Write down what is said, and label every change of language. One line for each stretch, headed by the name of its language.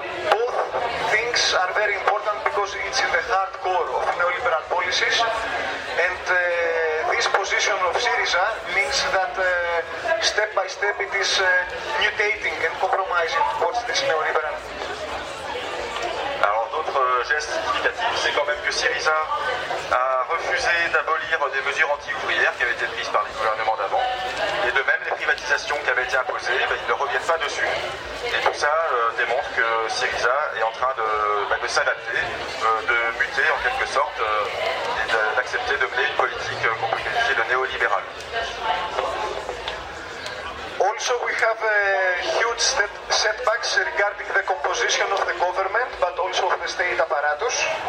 English: Both things are very important because it's in the heart core of neoliberal policies, and this position of Syriza means that step by step it is mutating and compromising towards this neoliberal.
French: Alors d'autres gestes significatifs, c'est quand même que Syriza a refusé d'abolir des mesures anti-ouvrières qui avaient été prises par les gouvernements d'avant, et de même les privatisations qui avaient été imposées, ben, ils ne reviennent pas dessus. Et tout ça démontre que Syriza est en train de s'adapter, de muter en quelque sorte, et d'accepter de mener une politique qu'on peut qualifier de néolibérale.
English: Also, we have huge setbacks regarding the composition of the government, but also of the state apparatus.